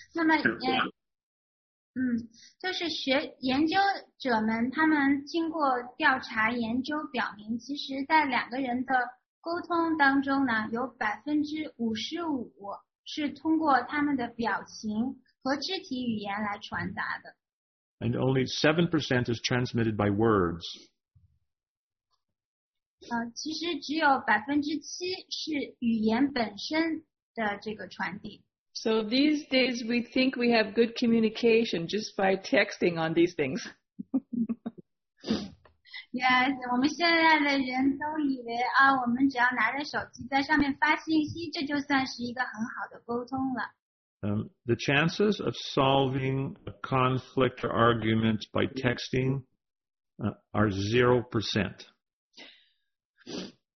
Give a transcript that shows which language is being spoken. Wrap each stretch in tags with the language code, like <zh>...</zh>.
<zh>那么就是研究者们他们经过调查研究表明其实在两个人的沟通当中呢有 55% 是通过他们的表情和肢体语言来传达的。</zh> <en>And only 7% is transmitted by words.</en> <zh>其实只有 7% 是语言本身的这个传递。</zh> <en>So these days we think we have good communication just by texting on these things. Yes,</en> <zh>我们现在的人都以为我们只要拿着手机在上面发信息，这就算是一个很好的沟通了。</zh> <en>The chances of solving a conflict or argument by texting are 0%.</en>